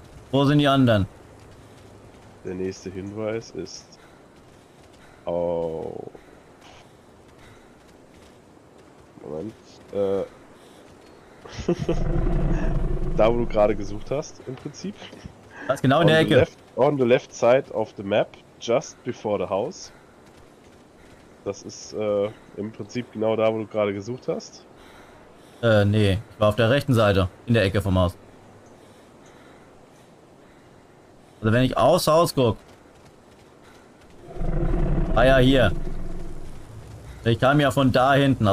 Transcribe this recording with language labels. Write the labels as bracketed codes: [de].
[de] Wo sind die anderen? Der nächste Hinweis ist... Oh... Moment... da wo du gerade gesucht hast, im Prinzip. Das genau in der Ecke. [en] On the left side of the map, just before the house. [de] Das ist im Prinzip genau da, wo du gerade gesucht hast. Nee, ich war auf der rechten Seite, in der Ecke vom Haus. Also wenn ich aufs Haus guck. Ah ja, hier. Ich kam ja von da hinten.